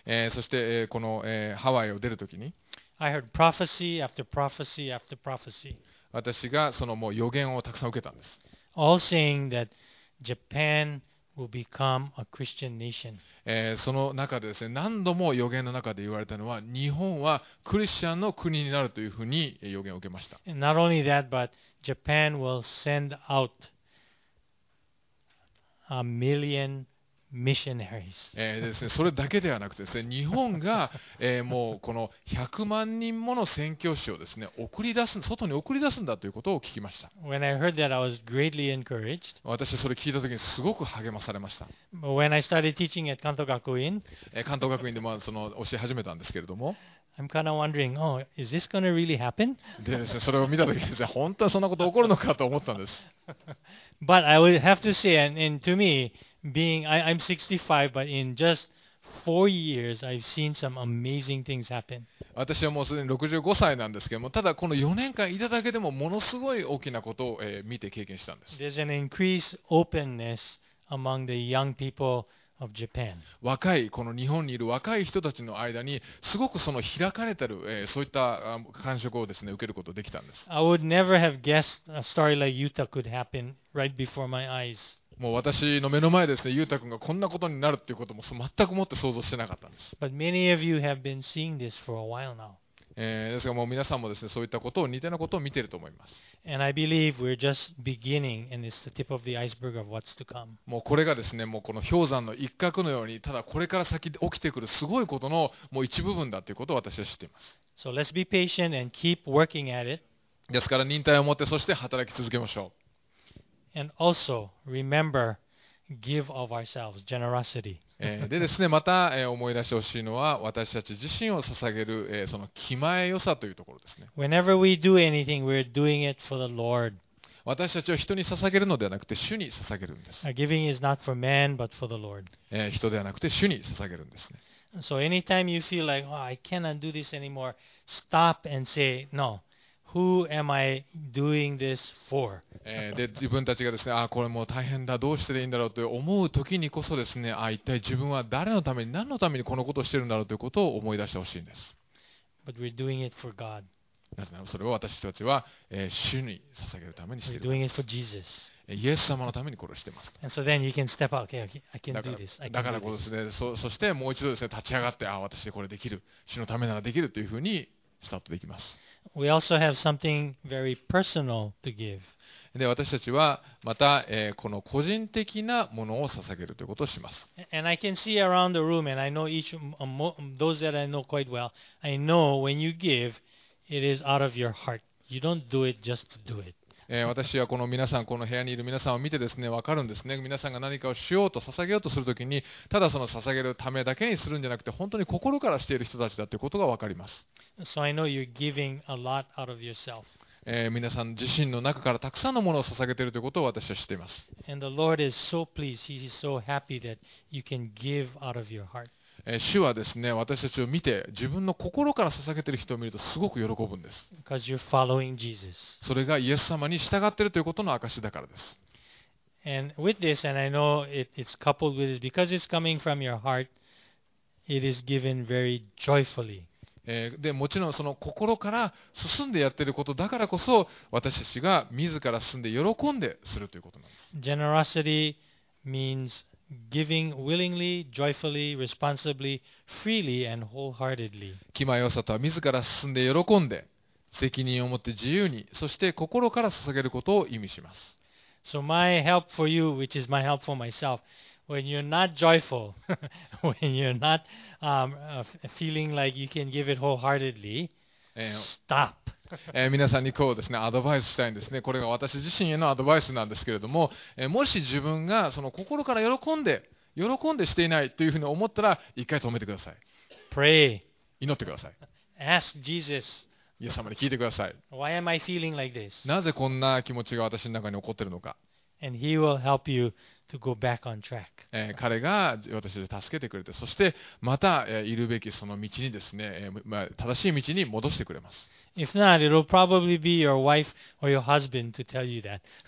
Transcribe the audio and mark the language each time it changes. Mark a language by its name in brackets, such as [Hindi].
[Japanese] そして、この、ハワイを出るときに、 [English] I heard prophecy after prophecy after prophecy. [Japanese] 私がそのもう予言をたくさん受けたんです。 [English] All saying that Japan will become a Christian nation. [Japanese] その中でですね、何度も予言の中で言われたのは、日本はクリスチャンの国になるというふうに予言を受けました。 [English] Not only that, but Japan will send out a million missionaries. [Japanese] ですね、それだけではなくてですね、日本が、もうこの100万人もの宣教師をですね、外に送り出すんだということを聞きました。 [English] When I heard that, I was greatly encouraged. [Japanese] 私それ聞いたときにすごく励まされました。 [English] When I started teaching at 関東学院、 [Japanese] 関東学院でまあその教え始めたんですけれども、 [English] I'm kind of wondering, oh, is this going to really happen? [Japanese] でですね、それを見たときにですね、本当はそんなこと起こるのかと思ったんです。 [English] But I would have to say, and to me,I'm 65, but in just 4 years, I've seen some amazing things happen. [Japanese] 私はもうすでに65歳なんですけども、ただこの4年間いただけでもものすごい大きなことを、見て経験したんです。 [English] There's an increased openness among the young people of Japan. [Japanese] 若い、この日本にいる若い人たちの間に、すごくその開かれてる、そういった感触をですね、受けることができたんです。 [English] I would never have guessed a story like Yuta could happen right before my eyes. [Japanese] もう私の目の前ですね、ゆうたくんがこんなことになるっていうことも全くもって想像してなかったんです。 [English] But many of you have been seeing this for a while now. [Japanese] ですがもう皆さんもですね、そういったことを似たようなことを見ていると思います。 [English] And I believe we're just beginning, and it's the tip of the iceberg of what's to come. [Japanese] もうこれがですね、もうこの氷山の一角のように、ただこれから先起きてくるすごいことのもう一部分だっていうことを私は知っています。 [English] So let's be patient and keep working at it. [Japanese] ですから忍耐を持ってそして働き続けましょう。 [English] And also remember, give of ourselves, generosity. [Japanese] でですね、また思い出してほしいのは、私たち自身を捧げるその気前良さというところですね。 [English] Whenever we do anything, we're doing it for the Lord. [Japanese] 私たちを人に捧げるのではなくて、主に捧げるんです。 [English] Giving is not for man, but for the Lord. [Japanese] 人ではなくて、主に捧げるんですね。 [English] So anytime you feel like, oh, I cannot do this anymore, stop and say no. Who am I doing this for? [Japanese] で自分たちがですね、あ、これもう大変だ、どうしていいんだろうと思う時にこそですね、あ、一体自分は誰のために、何のためにこのことをしているんだろうということを思い出してほしいんです。 [English] But we're doing it for God. [Japanese] なぜならそれを私たちは、主に捧げるためにしている。 [English] We're doing it for Jesus. [Japanese] イエス様のためにこれをしています。 [English] And so then you can step out. Okay, I can do this. [Japanese] だからこうですね、そしてもう一度ですね、立ち上がって、あ、私これできる、主のためならできるというふうにスタートできます。 [English] We also have something very personal to give. [Japanese] で私たちはまた、この個人的なものを捧げるということをします。 [English] And I can see around the room, and I know each those that I know quite well. I know when you give, it is out of your heart. You don't do it just to do it. [Japanese] 私はこの皆さん、この部屋にいる皆さんを見てですね、分かるんですね。皆さんが何かをしようと捧げようとするときに、ただその捧げるためだけにするんじゃなくて、本当に心からしている人たちだということが分かります。 [English] So I know you're giving a lot out of yourself. [Japanese] 皆さん自身の中からたくさんのものを捧げているということを私は知っています。 [English] And the Lord is so pleased. He's so happy that you can give out of your heart. [Japanese] 主はですね、私たちを見て自分の心から捧げている人を見るとすごく喜ぶんです。 [English] Because you're following Jesus. [Japanese] それがイエス様に従っているということの証だからです。 [English] And with this, and I know it's coupled with this, because it's coming from your heart, it is given very joyfully. [Japanese] でもちろんその心から進んでやっていることだからこそ私たちが自ら進んで喜んでするということなんです。 [English] Generosity means giving willingly, joyfully, responsibly, freely and wholeheartedly. [Japanese] 気前良さとは自ら進んで喜んで責任を持って自由にそして心から捧げることを意味します。 [English] So my help for you, which is my help for myself, when you're not joyful, when you're not feeling like you can give it wholeheartedly. Stop. [Japanese] 皆さんにこうですね、アドバイスしたいんですね。これが私自身へのアドバイスなんですけれども、もし自分がその心から喜んでしていないというふうに思ったら、一回止めてください。 [English] Pray. [Japanese] 祈ってください。 [English] Ask Jesus. [Japanese] イエス様に聞いてください。 [English] Why am I feeling like this? [Japanese] なぜこんな気持ちが私の中に起こっているのか。 [English] And he will help you to go back on track. [Japanese] 彼が私を助けてくれて、そしてまた、いるべきその道にですね、まあ、正しい道に戻してくれます。 [English] If not, it'll probably be your wife or your husband to tell you that.